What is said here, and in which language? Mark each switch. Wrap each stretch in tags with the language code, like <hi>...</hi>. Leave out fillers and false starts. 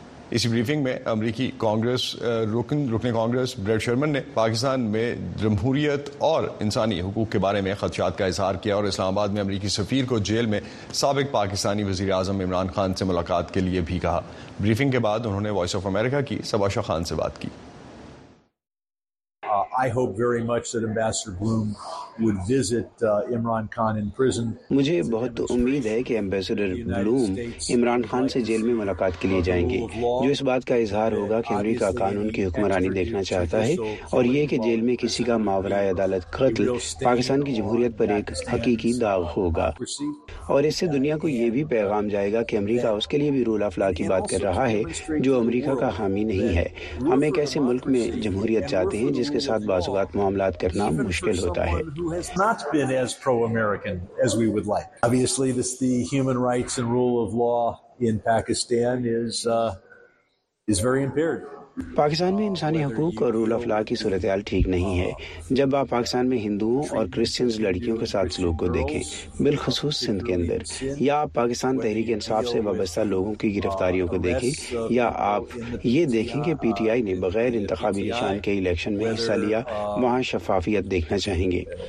<ur>اسی بریفنگ میں امریکی کانگریس رکن کانگریس بریڈ شرمن نے پاکستان میں جمہوریت اور انسانی حقوق کے بارے میں خدشات کا اظہار کیا اور اسلام آباد میں امریکی سفیر کو جیل میں سابق پاکستانی وزیر اعظم عمران خان سے ملاقات کے لیے بھی کہا. بریفنگ کے بعد انہوں نے وائس آف امریکہ کی صباح شاہ خان سے بات کی.</ur> <en>I hope very much that Ambassador Bloom would visit Imran Khan in prison.</en> <ur>مجھے بہت امید ہے کہ امبیسڈر بلوم عمران خان سے جیل میں ملاقات کے لیے جائیں گے, جو اس بات کا اظہار ہوگا کہ امریکہ قانون کی حکمرانی دیکھنا چاہتا ہے, اور یہ کہ جیل میں کسی کا ماورائے عدالت قتل پاکستان کی جمہوریت پر ایک حقیقی داغ ہوگا, اور اس سے دنیا کو یہ بھی پیغام جائے گا کہ امریکہ اس کے لیے بھی رول آف لا کی بات کر رہا ہے جو امریکہ کا حامی نہیں ہے. ہم ایک ایسے ملک میں جمہوریت چاہتے ہیں جس کے ساتھ بعض اوقات معاملات کرنا مشکل ہوتا ہے.</ur> <en>Has not been as pro-American as we would like. Obviously, this the human rights and rule of law in Pakistan is very impaired.</en> <ur>Pakistan میں انسانی حقوق اور رول آف لا کی صورتحال ٹھیک نہیں ہے. جب آپ پاکستان میں ہندوؤں اور کرسچنز لڑکیوں کے ساتھ سلوک کو دیکھیں, بالخصوص سندھ کے اندر, یا آپ پاکستان تحریک انصاف سے وابستہ لوگوں کی گرفتاریوں کو دیکھیں, یا آپ یہ دیکھیں کہ پی ٹی آئی نے بغیر انتخابی نشان کے الیکشن میں حصہ لیا, وہاں شفافیت دیکھنا چاہیں گے.</ur>